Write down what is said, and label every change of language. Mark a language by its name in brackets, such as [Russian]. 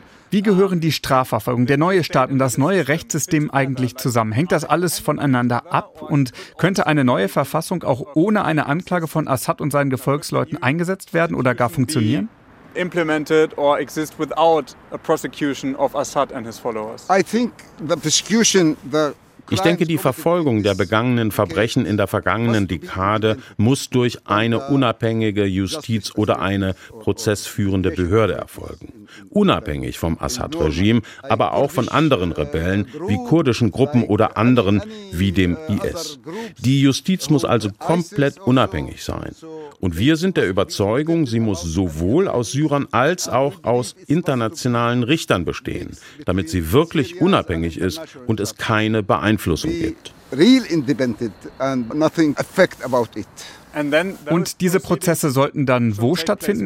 [German] Wie gehören die Strafverfolgung, der neue Staat und das neue Rechtssystem eigentlich zusammen? Hängt das alles voneinander ab? Und könnte eine neue Verfassung auch ohne eine Anklage von Assad und seinen Gefolgsleuten eingesetzt werden oder gar funktionieren? [English] Implemented or exist without a prosecution of Assad and his followers. I think the prosecution, the [German] Ich denke, die Verfolgung der begangenen Verbrechen in der vergangenen Dekade muss durch eine unabhängige Justiz oder eine prozessführende Behörde erfolgen. Unabhängig vom Assad-Regime, aber auch von anderen Rebellen wie kurdischen Gruppen oder anderen wie dem IS. Die Justiz muss also komplett unabhängig sein. Und wir sind der Überzeugung, sie muss sowohl aus Syrern als auch aus internationalen Richtern bestehen, damit sie wirklich unabhängig ist und es keine Beeinflussung gibt. [English] Real independent and nothing affect about it. [German] Und diese Prozesse sollten dann wo stattfinden?